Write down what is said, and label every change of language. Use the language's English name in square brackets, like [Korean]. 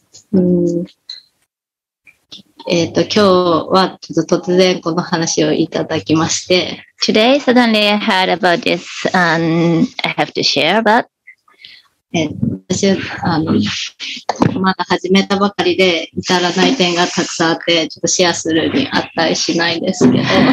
[Japanese] 今日は突然この話をいただきまして。 [English] Today, suddenly I heard about this and I have to share about. [Japanese] 私はまだ始めたばかりで至らない点がたくさんあって、ちょっとシェアするに値しないですけど。